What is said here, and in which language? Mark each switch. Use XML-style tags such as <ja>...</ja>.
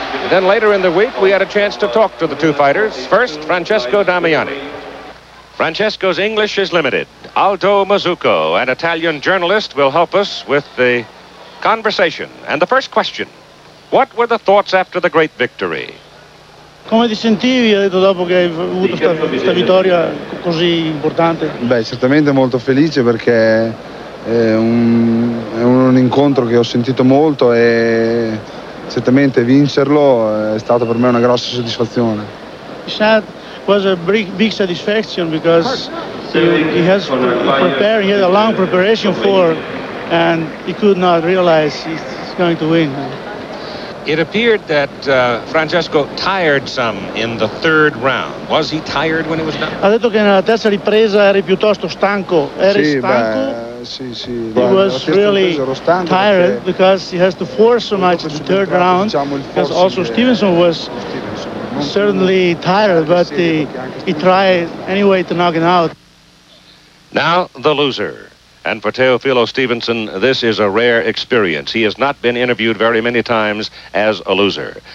<en>Then later in the week, we had a chance to talk to the two fighters. First, Francesco Damiani. Francesco's English is limited. Aldo Mazzucco, an Italian journalist, will help us with the conversation. And the first question, what were the thoughts after the great victory?</en> <it>Come ti sentivi dopo che hai avuto questa vittoria così importante? Beh, certamente molto felice perché è un incontro che ho sentito molto e... Certamente vincerlo è stato per me una grossa soddisfazione.</it> <en>It was a big satisfaction because he has prepared, he had a long preparation for, and he could not realize he's going to win. It appeared that Francesco tired some in the third round. Was he tired when it was done?</en> <it>Ha detto che nella terza ripresa eri piuttosto stanco. Eri sì, stanco. Beh, sì, sì.</it> <en>He was really tired because he has to force so much in the third round. Because also Stevenson was certainly tired, but he tried anyway to knock him out. Now the loser. And for Teofilo Stevenson, this is a rare experience. He has not been interviewed very many times as a loser.</en>